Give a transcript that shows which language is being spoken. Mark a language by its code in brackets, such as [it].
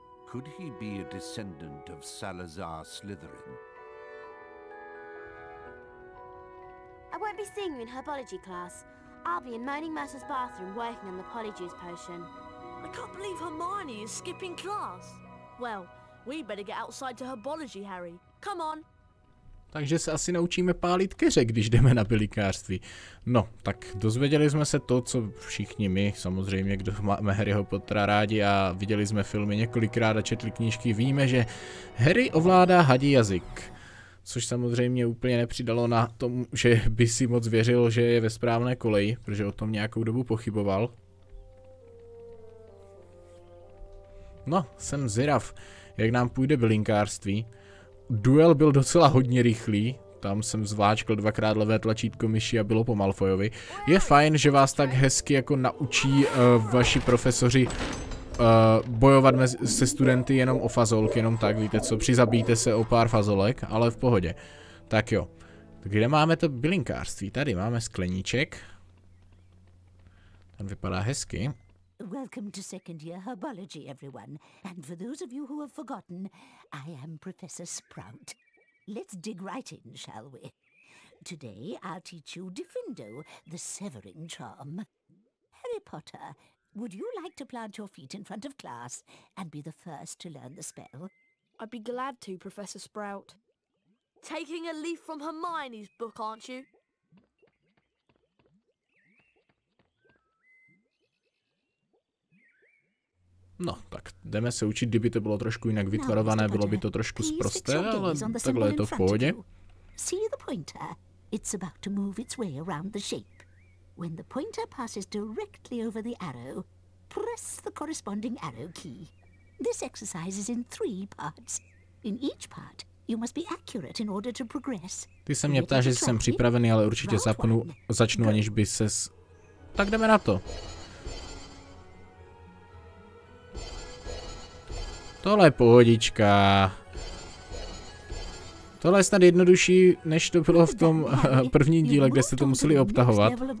[en] Could he be a descendant of Salazar Slytherin? I won't be seeing you in Herbology class. I'll be in Moaning Myrtle's bathroom working on the Polyjuice potion. I can't believe Hermione is skipping class. Well, we better get outside to Herbology, Harry. Come on. [cs] Takže se asi naučíme pálit keře, když jdeme na bylinkářství. No, tak dozvěděli jsme se to, co všichni my, samozřejmě, kdo máme Harryho Pottera rádi a viděli jsme filmy několikrát a četli knížky, víme, že Harry ovládá hadí jazyk. Což samozřejmě úplně nepřidalo na tom, že by si moc věřil, že je ve správné koleji, protože o tom nějakou dobu pochyboval. No, jsem zvědav, jak nám půjde bylinkářství. Duel byl docela hodně rychlý, tam jsem zváčkl dvakrát levé tlačítko myši a bylo po Malfoyovi. Je fajn, že vás tak hezky jako naučí vaši profesoři bojovat se studenty jenom o fazolky, jenom tak, víte co, přizabíte se o pár fazolek, ale v pohodě. Tak jo, kde máme to bylinkářství? Tady máme skleníček. Ten vypadá hezky. [en] Welcome to second year herbology, everyone. And for those of you who have forgotten, I am Professor Sprout. Let's dig right in, shall we? Today I'll teach you Defindo, the severing charm. Harry Potter, would you like to plant your feet in front of class and be the first to learn the spell? I'd be glad to, Professor Sprout. Taking a leaf from Hermione's book, aren't you? [cs] No, tak jdeme se učit, kdyby to bylo trošku jinak vytvarované, bylo by to trošku zprosté, ale takhle je to v pohodě. [en] See the pointer? It's about to move its way around the shape. When the pointer passes directly over the arrow, press the corresponding arrow key. This exercise is in three parts. In each part, you must be accurate in order to progress. [cs] Ty se mě ptáš, jestli jsem připravený, ale určitě začnu, aniž by ses... Tak jdeme na to. Tohle je pohodička. Tohle je snad jednodušší, než to bylo v tom prvním díle, kde jste to museli obtahovat.